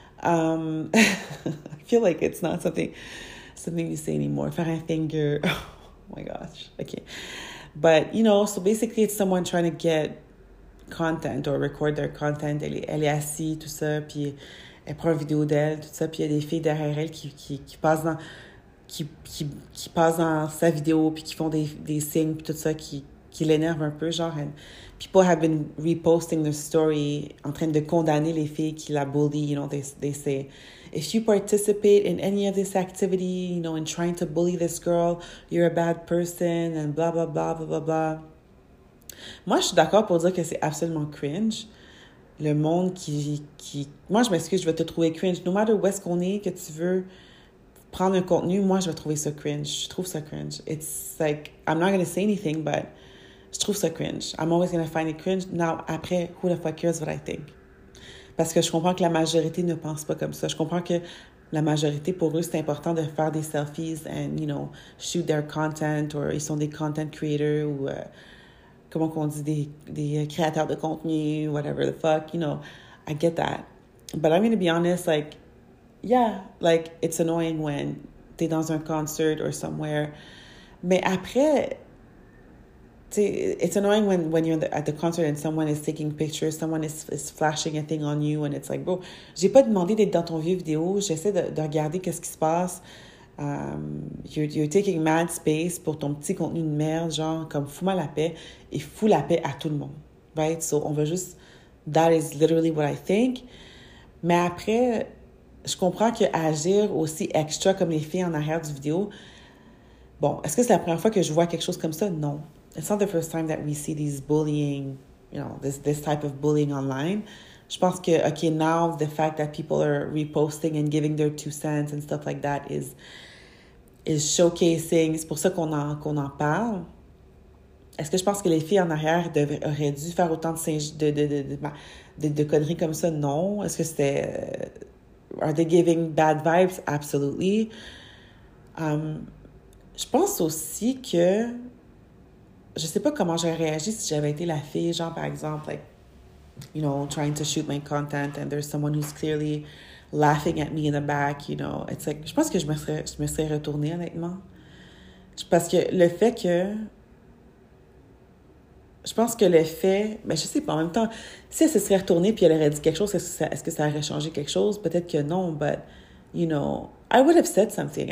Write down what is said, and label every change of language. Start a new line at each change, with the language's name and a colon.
English: I feel like it's not something you say anymore,
French: faire un finger,
English: oh my gosh, okay. But, you know, so basically it's someone trying to get content or record their content.
French: Elle est assise, tout ça, puis elle prend une vidéo d'elle, tout ça, puis il y a des filles derrière elle qui passent dans sa vidéo, puis qui font des signes, puis tout ça, qui l'énerve un peu, genre.
English: And people have been reposting the story
French: en train de condamner les filles qui la bully,
English: you know, they say, if you participate in any of this activity, you know, in trying to bully this girl, you're a bad person, and blah, blah, blah, blah, blah, blah.
French: Moi, je suis d'accord pour dire que c'est absolument cringe. Le monde qui... Moi, je m'excuse, je vais te trouver cringe.
English: No matter
French: où est-ce qu'on est, que tu veux prendre un contenu, moi, je vais trouver ça cringe. Je trouve ça cringe.
English: It's like, I'm not going to say anything, but
French: je trouve ça cringe.
English: I'm always going to find it cringe. Now, après, who the fuck cares what I think?
French: Parce que je comprends que la majorité ne pense pas comme ça. Je comprends que la majorité, pour eux, c'est important de faire des selfies
English: and, you know, shoot their content
French: or ils sont des content creators ou... comment qu'on dit, des créateurs de contenu,
English: whatever the fuck, you know, I get that. But I'm going to be honest, like, yeah, like, it's annoying when
French: t'es dans un concert
English: or somewhere.
French: Mais après,
English: it's annoying when you're at the concert and someone is taking pictures, someone is flashing a thing on you, and it's like, bro,
French: j'ai pas demandé d'être dans ton vieux vidéo, j'essaie de regarder qu'est-ce qui se passe.
English: You're taking mad space
French: pour ton petit contenu de merde, genre, comme fous-moi la paix et fous la paix à tout le monde, right? So, on va juste...
English: That is literally what I think.
French: Mais après, je comprends que agir aussi extra comme les filles en arrière du vidéo. Bon, est-ce que c'est la première fois que je vois quelque chose comme ça? Non.
English: It's not the first time that we see these bullying, you know, this type of bullying online.
French: Je pense que,
English: okay, now the fact that people are reposting and giving their two cents and stuff like that is showcasing.
French: C'est pour ça qu'on en parle. Est-ce que je pense que les filles en arrière auraient dû faire autant de conneries comme ça? Non. Est-ce que c'était...
English: Are they giving bad vibes? Absolutely.
French: Je pense aussi que... Je sais pas comment j'aurais réagi si j'avais été la fille, genre, par exemple,
English: like, you know, trying to shoot my content and there's someone who's clearly laughing at me in the back, you know. It's like,
French: je pense que je me serais retournée, honnêtement. Parce que le fait que... Je pense que le fait... Mais je sais pas, en même temps, si elle se serait retournée puis elle aurait dit quelque chose, est-ce que ça aurait changé quelque chose? Peut-être que non,
English: but, you know, I would have said something.